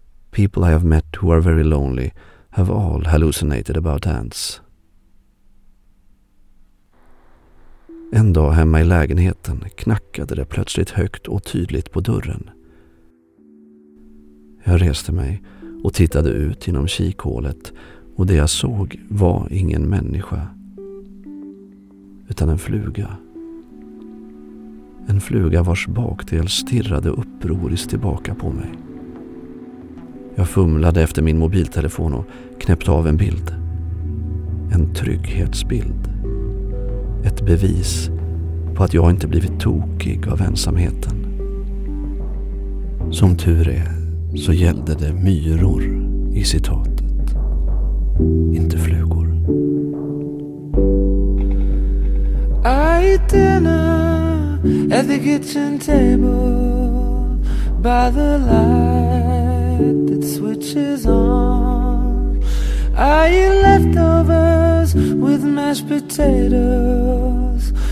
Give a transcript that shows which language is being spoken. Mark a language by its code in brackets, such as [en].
[en] People I have met who are very lonely have all hallucinated about ants." [sv] En dag hemma i lägenheten knackade det plötsligt högt och tydligt på dörren. Jag reste mig och tittade ut genom kikhålet och det jag såg var ingen människa utan en fluga. En fluga vars bakdel stirrade upproriskt tillbaka på mig. Jag fumlade efter min mobiltelefon och knäppte av en bild. En trygghetsbild. Ett bevis på att jag inte blivit tokig av ensamheten. Som tur är så gällde det myror i citatet. Inte flugor. [en] I ate dinner at the kitchen table by the light that switches on. I ate leftovers with mashed potatoes.